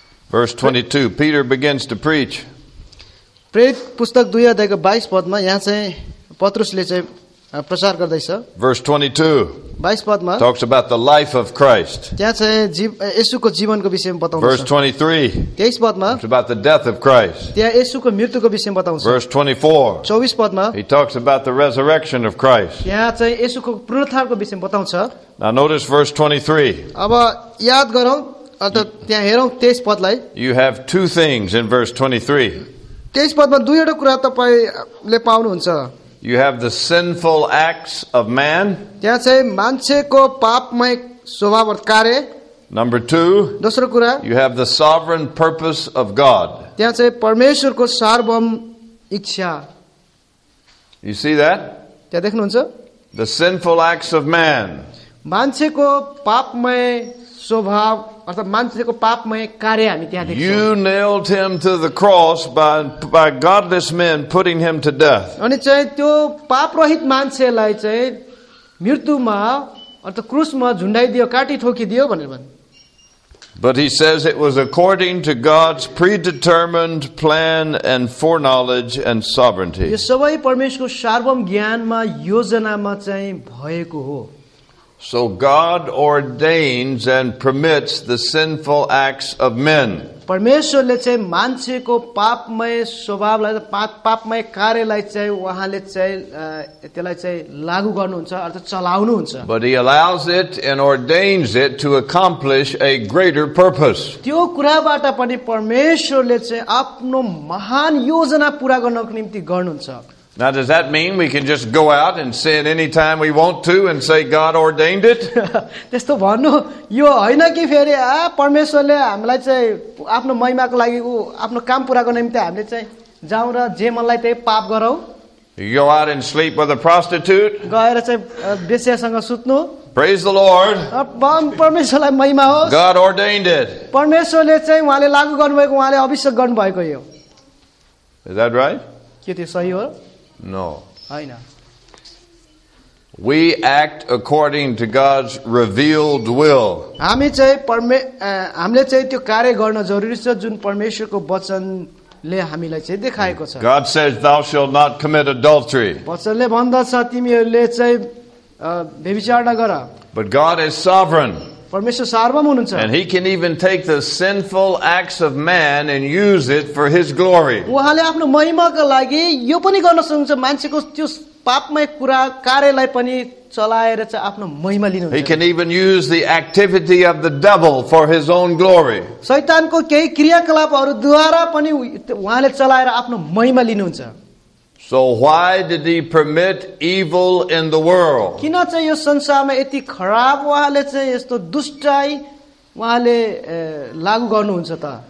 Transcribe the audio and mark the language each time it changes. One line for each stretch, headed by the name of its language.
English: Verse 22, Peter begins to preach.
Nepali: प्रेरित पुस्तक 2 अध्यायको 22 पदमा यहाँ चाहिँ पत्रुसले चाहिँ प्रचार गर्दैछ.
English: Verse 22.
Nepali: 22 पदमा
English: talks about the life of Christ.
Nepali: त्यहाँ चाहिँ येशूको जीवनको विषयमा बताउँछ.
English: Verse 23.
Nepali: 23 पदमा
English: talks about the death of Christ.
Nepali: त्यहाँ येशूको मृत्युको विषयमा बताउँछ.
English: Verse 24.
Nepali: 24 पदमा
English: he talks about the resurrection of Christ.
Nepali: त्यहाँ चाहिँ येशूको पुनरुत्थानको विषयमा बताउँछ.
English: Now notice verse 23.
Nepali: अब याद गरौँ अन्त त्यहाँ हेरौँ 23 पदलाई.
English: You have two things in verse 23.
Nepali: त्यस पदमा दुईवटा कुरा तपाईँले पाउनुहुन्छ.
English: You have the sinful acts of man.
Nepali: त्यहाँ चाहिँ मान्छेको पापमय स्वभाव कार्य.
English: Number two.
Nepali: दोस्रो कुरा.
English: You have the sovereign purpose of God.
Nepali: त्यहाँ चाहिँ परमेश्वरको सार्वभौम इच्छा.
English: You see that?
Nepali: त्यहाँ देख्नुहुन्छ?
English: The sinful acts of man.
Nepali: मान्छेको पापमय स्वभाव अर्थात् मान्छेको पापमय कार्य हामी त्यहाँ देख्छौँ.
English: You nailed him to the cross by godless men putting him to death.
Nepali: अनि चाहिँ त्यो पापरहित मान्छेलाई चाहिँ मृत्युमा अर्थात् क्रुसमा झुन्डाइदियो काटी ठोकिदियो भनेर भन्नु.
English: But he says it was according to God's predetermined plan and foreknowledge and sovereignty.
Nepali: यो सबै परमेश्वरको सार्वभौम ज्ञानमा योजनामा चाहिँ भएको हो.
English: So God ordains and permits the sinful acts of men.
Nepali: परमेश्वरले चाहिँ मान्छेको पापमय स्वभावलाई पापमय कार्यलाई चाहिँ उहाँले चाहिँ त्यसलाई चाहिँ लागू गर्नुहुन्छ अर्थात् चलाउनुहुन्छ.
English: But he allows it and ordains it to accomplish a greater purpose.
Nepali: त्यो कुराबाट पनि परमेश्वरले चाहिँ आफ्नो महान योजना पूरा गर्नको निम्ति गर्नुहुन्छ.
English: Now does that mean we can just go out and sin any time we want to and say God ordained it?
Nepali: त्यस्तो भन्नु यो हैन कि फेरि आ परमेश्वरले हामीलाई चाहिँ आफ्नो महिमाको लागि उ आफ्नो काम पूरा गर्न निम्ति हामीले चाहिँ जाऊ र जे मनलाई त्यही पाप गरौ.
English: You go out and sleep with a prostitute?
Nepali: गएर चाहिँ बेस्यासँग सुत्नु.
English: Praise the Lord.
Nepali: परमेश्वरलाई महिमा होस्.
English: God ordained it.
Nepali: परमेश्वरले चाहिँ उहाँले लागू गर्नुभएको उहाँले अभिषेक गर्नुभएको यो.
English: Is that right?
Nepali: के त्यो सही हो?
English: No. We act according to God's revealed will.
Nepali: हामी चाहिँ हामीले चाहिँ त्यो कार्य गर्न जरुरी छ जुन परमेश्वरको वचनले हामीलाई चाहिँ देखाएको छ.
English: God says thou shalt not commit adultery.
Nepali: वचनले भन्दछ तिमीहरूले चाहिँ व्यभिचार नगर.
English: But God is sovereign.
Nepali: परमेश्वर सार्वभौम हुनुहुन्छ.
English: And he can even take the sinful acts of man and use it for his glory.
Nepali: उहाँले आफ्नो महिमाको लागि यो पनि गर्न सक्नुहुन्छ मान्छेको त्यो पापमय कुरा कार्यलाई पनि चलाएर चाहिँ आफ्नो महिमा लिनुहुन्छ.
English: He can even use the activity of the devil for his own glory.
Nepali: शैतानको केही क्रियाकलापहरूद्वारा पनि उहाँले चलाएर आफ्नो महिमा लिनुहुन्छ.
English: So why did he permit evil in the world?
Nepali: किन चाहिँ यो संसारमा यति खराब उहाँले चाहिँ यस्तो दुष्टाई उहाँले लागू गर्नुहुन्छ त?